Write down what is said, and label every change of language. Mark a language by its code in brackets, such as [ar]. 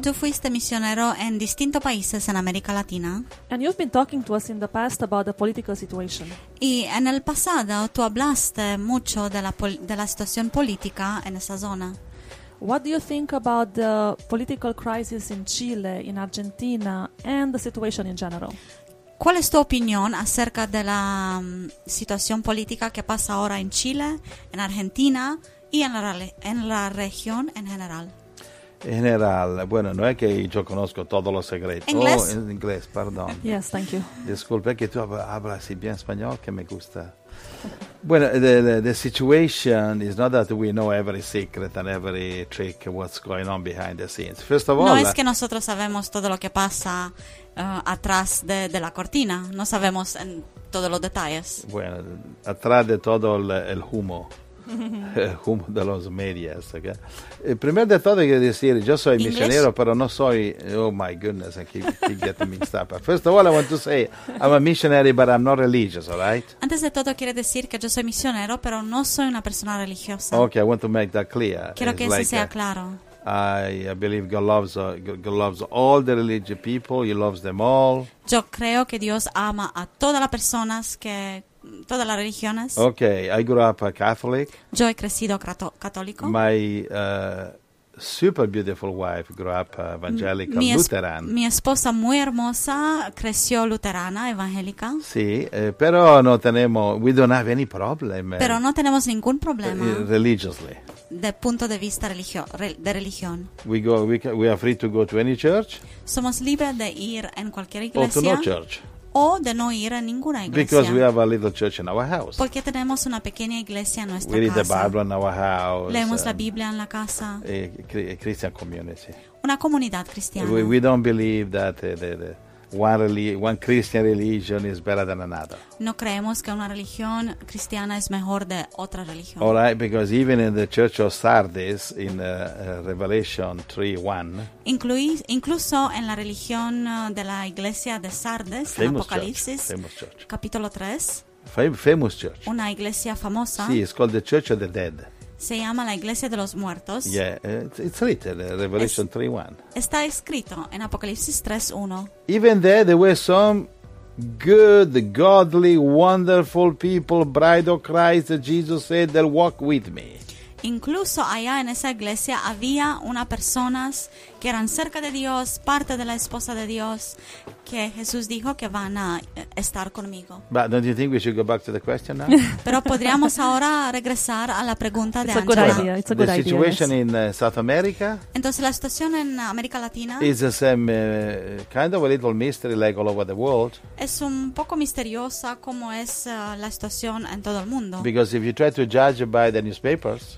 [es] Tú fuiste misionero en distintos países en América Latina. [en] And you've been talking to us in the past about the political situation. [es] Y en el pasado tú hablaste mucho de la situación política en esa zona. [en] What do you think about the political crisis in Chile, in Argentina, and the situation in general? [es] ¿Cuál es tu opinión acerca de la situación política que pasa ahora en Chile, en Argentina? Y en la región en general. En general, bueno, no es que yo conozco todos los secretos. ¿Inglés? Oh, en inglés, perdón. [en] Yes, thank you. [es] Disculpe que tú hablas bien español, que me gusta. Bueno, [en] the situation is not that we know every secret and every trick what's going on behind the scenes. First of all, [es] no es que nosotros sabemos todo lo que pasa atrás de la cortina. No sabemos en todos los detalles. Bueno, atrás de todo el humo. Humo de los medios. Okay? Primero de todo, quiero decir, yo soy [en] English? [es] Misionero, pero no soy. [en] Oh my goodness, I keep getting mixed up. First of all, I want to say I'm a missionary, but I'm not religious, all right? [es] Antes de todo, quiere decir que yo soy misionero, pero no soy una persona religiosa. [en] Okay, I want to make that clear. [es] Quiero que eso sea claro. [en] I believe God loves all the religious people, He loves them all. [es] Yo creo que Dios ama a todas las personas que. Todas las religiones. [en] Okay, I grew up a Catholic. [es] Yo he crecido católico. [en] My super beautiful wife grew up evangelical, Lutheran. [es] Mi esposa muy hermosa creció luterana, evangélica. Sí, pero no tenemos, [en] we don't have any problem. [es] Pero no tenemos ningún problema. [en] Religiously. [es] De punto de vista de religión. [en] We are free to go to any church. [es] Somos libres de ir en cualquier iglesia. [en] Or to no church. [es] O de no ir a ninguna iglesia. Because we have a little church in our house. Porque tenemos una pequeña iglesia en nuestra casa. [en] We read [es] casa. [en] The Bible in our house. [es] Leemos la Biblia en la casa. [en] Christian community. [es] Una comunidad cristiana. [en] We don't believe that one Christian religion is better than another. [es] No creemos que una religión cristiana es mejor de otra religión. [en] All right, because even in the Church of Sardis in Revelation 3:1. [es] Incluso en la religión de la iglesia de Sardes, en Apocalipsis, capítulo 3. [en] Famous church. [es] Una iglesia famosa. Sí, [en] it's called the Church of the Dead. [es] Se llama la Iglesia de los Muertos. [en] Yeah, it's written in Revelation 3:1. [es] Está escrito en Apocalipsis 3:1. [en] Even there were some good, godly, wonderful people, bride of Christ, Jesus said, they'll walk with me. [es] Incluso allá en esa iglesia había unas personas que eran cerca de Dios, parte de la esposa de Dios, que Jesús dijo que van a estar conmigo. [en] But don't you think we should go back to the question now? [es] Pero podríamos ahora regresar a la pregunta de [en] Angela. It's a good idea. It's a good idea. The situation in South America. [es] Entonces la situación en América Latina. [en] Is the same kind of a little mystery like all over the world. [es] Es un poco misteriosa como es la situación en todo el mundo. [en] Because if you try to judge by the newspapers.